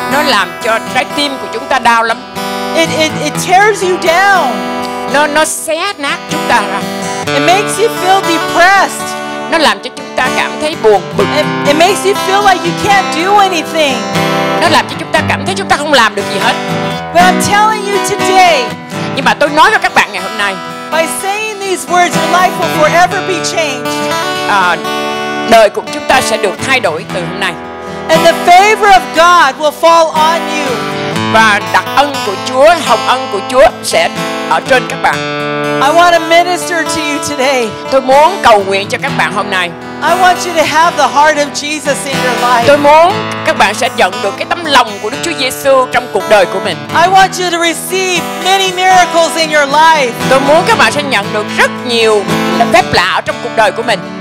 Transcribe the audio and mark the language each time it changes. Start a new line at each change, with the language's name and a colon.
Vietnamese: Nó làm cho trái tim của chúng ta đau lắm.
English: It tears you down.
Vietnamese: Nó xé nát chúng ta ra.
English: It makes you feel depressed.
Vietnamese: Nó làm cho chúng ta cảm thấy buồn bực.
English: It makes you feel like you can't do anything.
Vietnamese: nó làm cho chúng ta cảm thấy chúng ta không làm được gì hết.
English: But I'm telling you today,
Vietnamese: nhưng mà tôi nói cho các bạn ngày hôm nay,
English: by saying these words, your life will forever be changed.
Vietnamese: Đời của chúng ta sẽ được thay đổi từ hôm nay.
English: And the favor of God will fall on you.
Vietnamese: Và đặc ân của Chúa, hồng ân của Chúa sẽ ở trên các bạn.
English: I want to minister to you today.
Vietnamese: Tôi muốn cầu nguyện cho các bạn hôm nay.
English: I want you to have the heart of Jesus in your life.
Vietnamese: Tôi muốn các bạn sẽ nhận được cái tấm lòng của Đức Chúa Giêsu trong cuộc đời của mình.
English: I want you to receive many miracles in your life.
Vietnamese: Tôi muốn các bạn sẽ nhận được rất nhiều phép lạ trong cuộc đời của mình.